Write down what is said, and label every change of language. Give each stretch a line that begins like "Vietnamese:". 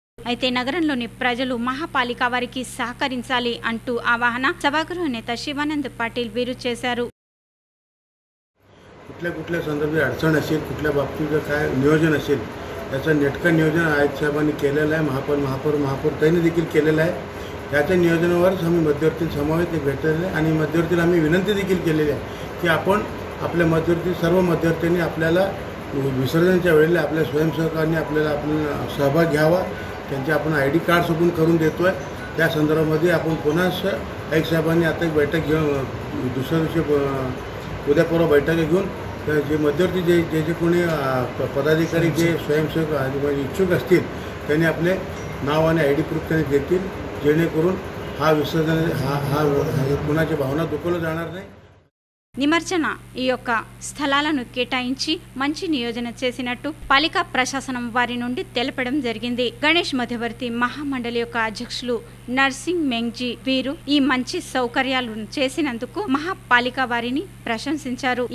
Telugu: అయితే నగరంలోని ప్రజలు మహాపాలిక వారికి సహకరించాలి అంటూ ఆవాహన సభాగృహ నేత శివానంద్ పాటిల్ వీరు చేశారు.
Marathi: నియోజన त्याचं नेटकं नियोजन आयुक्त साहेबांनी केलेलं आहे. महापौर त्यांनी देखील केलेलं आहे. त्याच्या नियोजनावरच आम्ही मध्यवर्ती समावेश भेटलेले आणि मध्यवर्तीला आम्ही विनंती देखील केलेली आहे की आपण आपल्या मध्यवर्ती सर्व मध्यवर्तींनी आपल्याला विसर्जनाच्या वेळेला आपल्या स्वयंसेवकांनी आपल्याला आपला सहभाग घ्यावा. त्यांचे आपण आय डी कार्ड सोबून करून देतो आहे. त्या संदर्भामध्ये आपण पुन्हाच आयुक्त साहेबांनी आता एक बैठक घेऊन दुसऱ्या दिवशी उद्या पूर्व बैठक घेऊन जे मध्यवर्ती जे कोणी पदाधिकारी जे स्वयंसेवक इच्छुक असतील त्यांनी आपले नाव आणि आय डी प्रूफ त्यांनी देतील, जेणेकरून हा विसर्जन हा कुणाच्या भावना दुखवला जाणार नाही.
Telugu: నిమర్జన ఈ యొక్క స్థలాలను కేటాయించి మంచి నియోజన చేసినట్టు పాలిక ప్రశాసనం వారి నుండి తెలపడం జరిగింది. గణేష్ మధ్యవర్తి మహామండలి యొక్క అధ్యక్షులు నర్సింగ్ మెంగ్జీ వీరు ఈ మంచి సౌకర్యాలను చేసినందుకు మహాపాలిక వారిని ప్రశంసించారు.